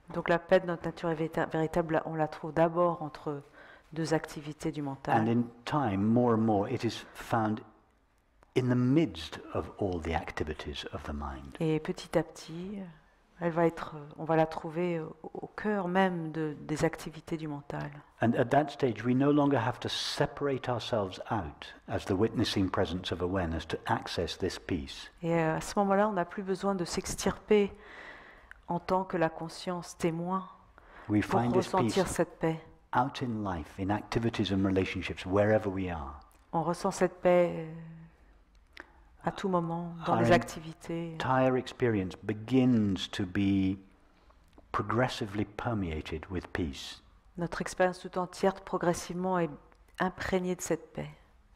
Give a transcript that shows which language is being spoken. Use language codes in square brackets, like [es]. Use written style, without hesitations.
[fr] Donc la paix de notre nature est véritable, on la trouve d'abord entre deux activités du mental. [en] And in time, more and more, it is found in the midst of all the activities of the mind. [fr] Et petit à petit, elle va être, on va la trouver au cœur même des activités du mental. [en] And at that stage, we no longer have to separate ourselves out as the witnessing presence of awareness to access this peace. [fr] Et à ce moment-là, on n'a plus besoin de s'extirper en tant que la conscience témoin [en] we [fr] pour ressentir cette paix. [en] Out in life, in activities and relationships, wherever we are. [fr] On ressent cette paix à tout moment, dans les activités. [en] Our entire experience begins to be progressively permeated with peace. [fr] Notre expérience tout entière progressivement est imprégnée de cette paix.